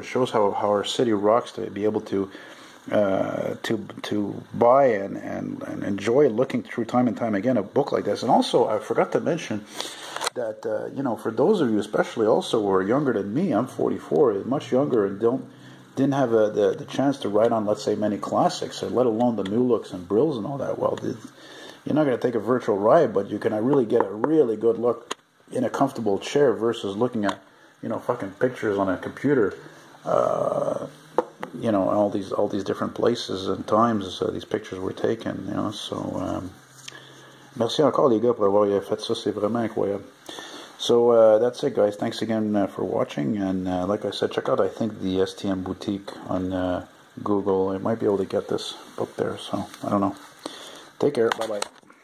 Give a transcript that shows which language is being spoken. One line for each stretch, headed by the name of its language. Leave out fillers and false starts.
English: It shows how our city rocks to be able to buy and enjoy looking through time and time again a book like this. And also, I forgot to mention that, you know, for those of you especially also who are younger than me, I'm 44, much younger, and didn't have the chance to write on, let's say, many classics, or let alone the New Looks and Brills and all that. Well, you're not going to take a virtual ride, but you can really get a really good look in a comfortable chair versus looking at, you know, fucking pictures on a computer, you know, all these different places and times these pictures were taken, you know.
French: So, merci encore les gars pour avoir fait ça, c'est vraiment incroyable.
English: So, that's it, guys. Thanks again for watching. And like I said, check out, I think, the STM Boutique on Google. I might be able to get this book there, so I don't know. Take care. Bye-bye.